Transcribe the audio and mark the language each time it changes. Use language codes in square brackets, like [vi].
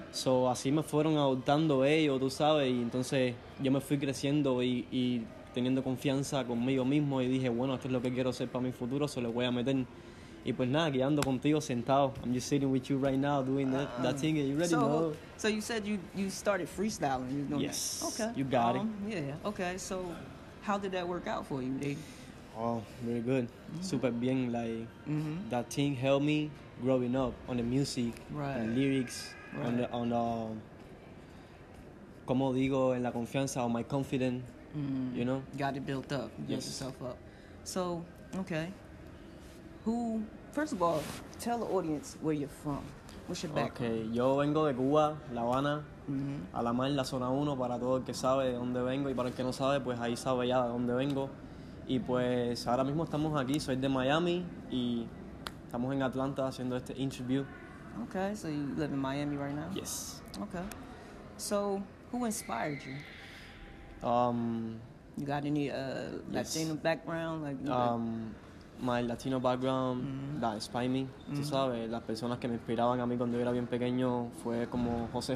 [es] So, así me fueron adoptando ellos, tú sabes, y entonces yo me fui creciendo y teniendo confianza conmigo mismo y dije, bueno, esto es lo que quiero hacer para mi futuro, se lo voy a meter. Y pues nada, aquí ando contigo sentado. [en] I'm just sitting with you right now doing that thing. Are you ready? So you said you started freestyling. You know, yes. Okay. You got it. Yeah. Okay. So how did that work out for you, Dave? Oh, very good. Mm-hmm. [es] Super bien. [en] Like, mm-hmm. That thing helped me growing up on the music, right, and lyrics, right, on the lyrics, on [es] como digo, en la confianza, [en] on my confidence, you know? Got it built up, yes. Built yourself up. So, okay. First of all, tell the audience where you're from. What's your background? [es] Okay, yo vengo de Cuba, La Habana, a la mar, la zona 1, para todo el que sabe de dónde vengo, y para el que no sabe, pues ahí sabe ya de dónde vengo. Y pues ahora mismo estamos aquí, soy de Miami y estamos en Atlanta haciendo este interview. [en] Okay, so you live in Miami right now? Yes. Okay. So, who inspired you? You got any Latino background? Like, my Latino background, that inspired me, [es] tú sabes. Las personas que me inspiraban a mí cuando yo era bien pequeño fue como José,